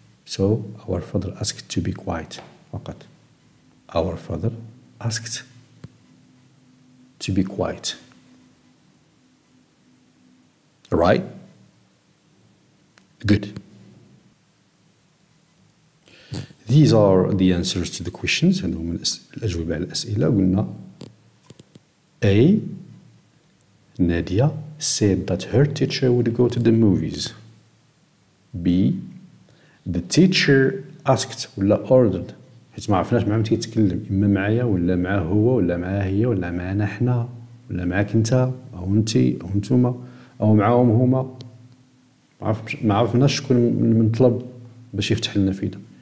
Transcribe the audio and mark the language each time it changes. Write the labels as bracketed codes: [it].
[en] So our father asked to be quiet. فقط. Our father asked to be quiet. Right? Good. These are the answers to the questions. [ar] هذو هما الأجوبة على الأسئلة. قلنا A. [en] Nadia said that her teacher would go to the movies. B. The teacher asked [ar] ولا ordered حيت ما عرفناش مع من تيتكلم إما معايا ولا معاه هو ولا معاه هي ولا معانا حنا ولا معاك أنت أو أنتي أو أنتوما أو معاهم هما ما عرفناش شكون من طلب باش يفتح لنا فينا.